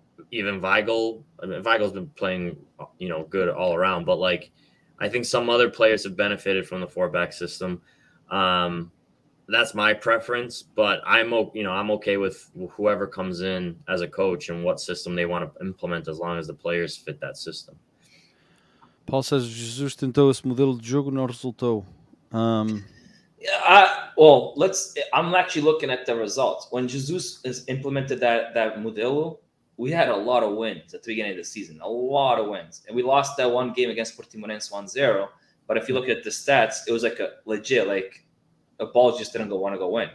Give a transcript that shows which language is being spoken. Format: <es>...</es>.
<en>Even Weigl, I mean, Weigl's been playing, you know, good all around, but like, I think some other players have benefited from the four back system. That's my preference, but I'm okay with whoever comes in as a coach and what system they want to implement, as long as the players fit that system. Paul says</en> <pt>Jesus tentou esse modelo de jogo, não resultou.</pt> <en>I'm actually looking at the results. When Jesus has implemented that modelo, we had a lot of wins at the beginning of the season, a lot of wins, and we lost that one game against Portimonense 1-0. But if you look at the stats, it was like a legit, like, the ball just didn't want to go in.</en>